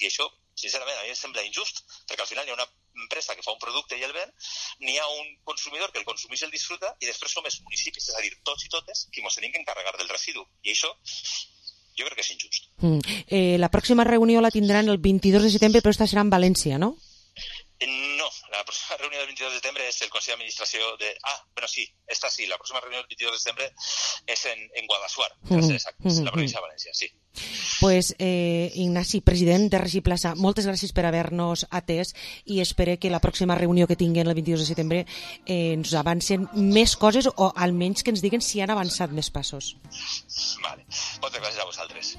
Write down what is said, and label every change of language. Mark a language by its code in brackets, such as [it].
[ca] I això, sincerament, a mi em sembla injust, perquè al final hi ha una empresa que fa un producte i el ven, n'hi ha un consumidor que el consumeix i el disfruta, i després som els municipis, és a dir, tots i totes, que ens hem d'encarregar del residu. I això jo crec que és injust. La pròxima reunió la tindran el 22 de setembre, però esta serà en València, no? [es] No, la próxima reunión del 22 de septiembre es el Consejo de Administración de... Ah, bueno, sí, esta sí, la próxima reunión del 22 de septiembre es en Guadassuar, la provincia de Valencia, sí. [ca] Pues Ignasi, president de Regi Plaça, moltes gràcies per haver-nos atès i espero que la pròxima reunió que tinguin el 22 de setembre ens avancen més coses o almenys que ens diguin si han avançat més passos. [es] Vale. [ca] Moltes gràcies a vosaltres.